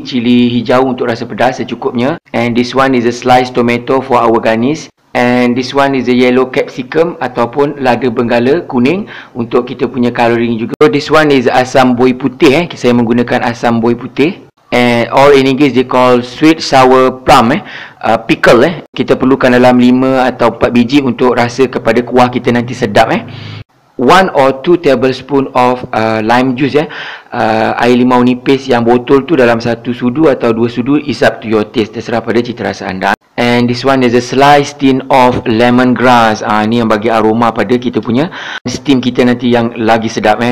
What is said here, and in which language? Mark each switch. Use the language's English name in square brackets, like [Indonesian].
[Malay] Chili hijau untuk rasa pedas secukupnya. [English] And this one is a sliced tomato for our garnish. And this one is a yellow capsicum [Malay] ataupun lada benggala kuning untuk kita punya colouring juga. [English] So this one is asam boi putih. [Malay] Saya menggunakan asam boi putih. [English] And or in English they call sweet sour plum. [Malay] Pickle. Kita perlukan dalam 5 atau 4 biji untuk rasa kepada kuah kita nanti sedap. [English] 1 or 2 tablespoon of lime juice. [Malay] Air limau nipis yang botol tu dalam 1 sudu atau 2 sudu [English] is up to your taste. [Malay] Terserah pada cita rasa anda. [English] And this one is a sliced tin of lemongrass. [Malay] Ni yang bagi aroma pada kita punya steam kita nanti yang lagi sedap.